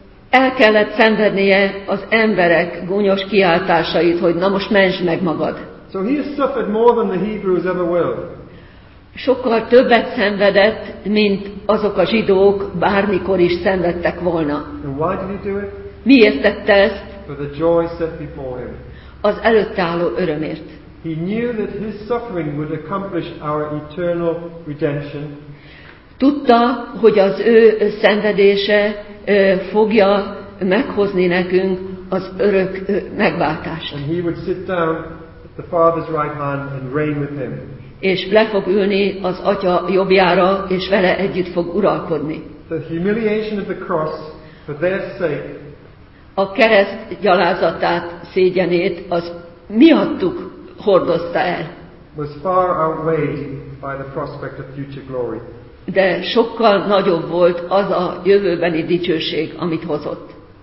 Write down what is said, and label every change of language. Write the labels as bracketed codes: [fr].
[hu] El kellett szenvednie az emberek gúnyos kiáltásait, hogy na most mentsd meg magad. [en] So he has suffered more than the Hebrews ever will. [hu] Sokkal többet szenvedett, mint azok a zsidók bármikor is szenvedtek volna. [en] And why did he do it? [hu] Miért tette ezt? [en] For the joy set before him. [hu] Az előtte álló örömért. [en] He knew that his suffering would accomplish our eternal redemption. [hu] Tudta, hogy az ő szenvedése fogja meghozni nekünk az örök megváltást. [en] And he would sit down at the Father's right hand and reign with him. [hu] És le fog ülni az Atya jobbjára, és vele együtt fog uralkodni. [en] The humiliation of the cross for their sake. [hu] A kereszt gyalázatát, szégyenét az miattuk hordozta el. [en] Was far outweighed by the prospect of future glory. [hu] De sokkal nagyobb volt az a jövőbeni dicsőség, amit hozott.